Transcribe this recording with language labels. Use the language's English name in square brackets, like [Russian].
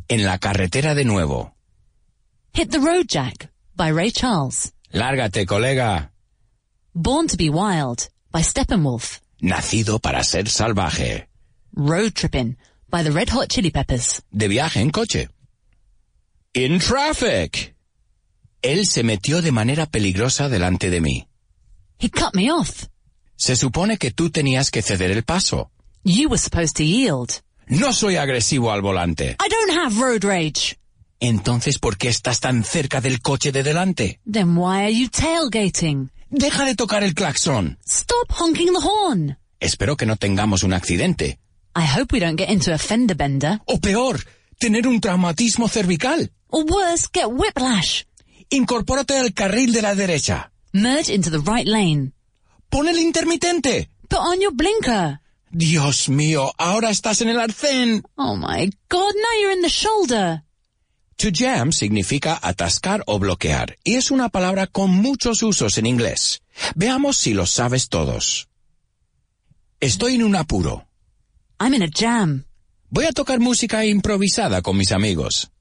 [Spanish] En la carretera de nuevo. [English] Hit the Road Jack by Ray Charles. [Spanish] Lárgate, colega. [English] Born to be Wild by Steppenwolf. [Spanish] Nacido para ser salvaje. [English] Road Trippin' by the Red Hot Chili Peppers. [Spanish] De viaje en coche. [English] In Traffic. [Spanish] Él se metió de manera peligrosa delante de mí. [English] He cut me off. [Spanish] Se supone que tú tenías que ceder el paso. [English] You were supposed to yield. [Spanish] No soy agresivo al volante. [English] I don't have road rage. [Spanish] Entonces, ¿por qué estás tan cerca del coche de delante? [English] Then why are you tailgating? [Spanish] Deja de tocar el claxon. [English] Stop honking the horn. [Spanish] Espero que no tengamos un accidente. [English] I hope we don't get into a fender bender. [Spanish] O peor, tener un traumatismo cervical. [English] Or worse, get whiplash. [Spanish] Incorpórate al carril de la derecha. [English] Merge into the right lane. [Spanish] Pon el intermitente. [English] Put on your blinker. [Spanish] Dios mío, ahora estás en el arcén. [English] Oh my God, now you're in the shoulder. [Spanish] To jam significa atascar o bloquear, y es una palabra con muchos usos en inglés. Veamos si los sabes todos. Estoy en un apuro. [English] I'm in a jam. [Spanish] Voy a tocar música improvisada con mis amigos.